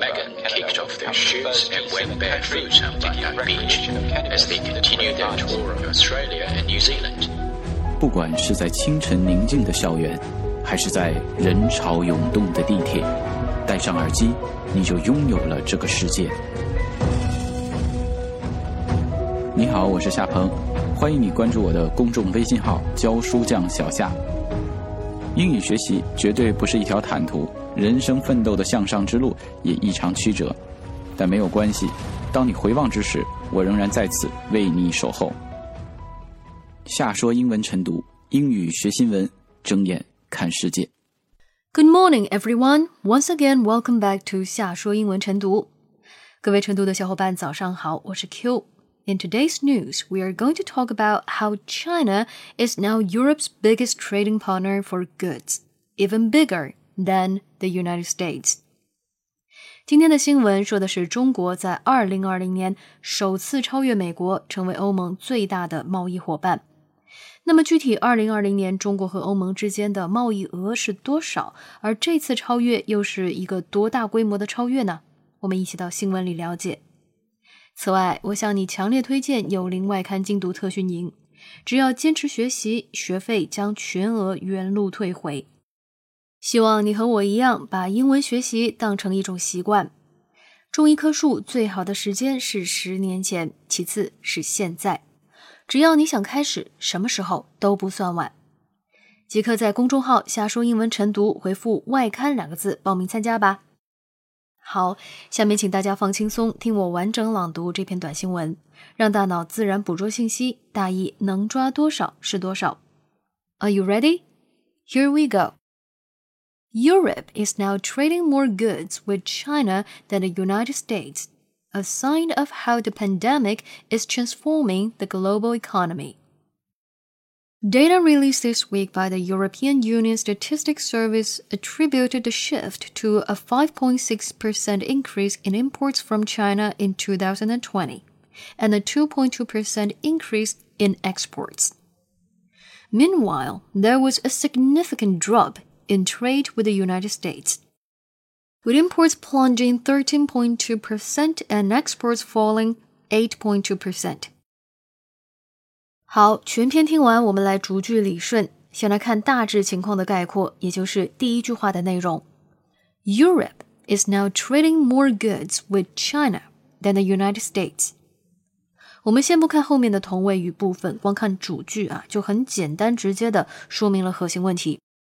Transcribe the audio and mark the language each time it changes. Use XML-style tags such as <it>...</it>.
<en>Megan kicked off their shoes and went barefoot on Bondi Beach as they continued their tour of Australia and New Zealand.</en> <zh>不管是在清晨宁静的校园，还是在人潮涌动的地铁，戴上耳机，你就拥有了这个世界。你好，我是夏鹏，欢迎你关注我的公众微信号教书匠小夏。英语学习绝对不是一条坦途，人生奋斗的向上之路也异常曲折，但没有关系，当你回望之时，我仍然在此为你守候。夏说英文晨读，英语学新闻，睁眼看世界。</zh> <en>Good morning everyone, once again welcome back to 夏说英文晨读。</en> <zh>各位晨读的小伙伴早上好，我是 Q。</zh> <en>In today's news, we are going to talk about how China is now Europe's biggest trading partner for goods, even bigger than the United States.</en> <zh>今天的新闻说的是中国在2020年首次超越美国，成为欧盟最大的贸易伙伴。那么具体2020年中国和欧盟之间的贸易额是多少？而这次超越又是一个多大规模的超越呢？我们一起到新闻里了解。此外，我向你强烈推荐有林外刊精读特训营，只要坚持学习，学费将全额原路退回。希望你和我一样，把英文学习当成一种习惯。种一棵树最好的时间是10年前，其次是现在。只要你想开始，什么时候都不算晚。即刻在公众号瞎说英文晨读回复外刊两个字报名参加吧。好，下面请大家放轻松，听我完整朗读这篇短新闻，让大脑自然捕捉信息，大意能抓多少是多少。</zh> <en>Are you ready? Here we go. Europe is now trading more goods with China than the United States, a sign of how the pandemic is transforming the global economy. Data released this week by the European Union Statistics Service attributed the shift to a 5.6% increase in imports from China in 2020, and a 2.2% increase in exports. Meanwhile, there was a significant drop in trade with the United States, with imports plunging 13.2% and exports falling 8.2%.</en> <zh>好，全篇听完，我们来逐句理顺。先来看大致情况的概括，也就是第一句话的内容。</zh> <en>Europe is now trading more goods with China than the United States.</en> <zh>我们先不看后面的同位语部分，光看主句啊，就很简单直接的说明了核心问题。</zh>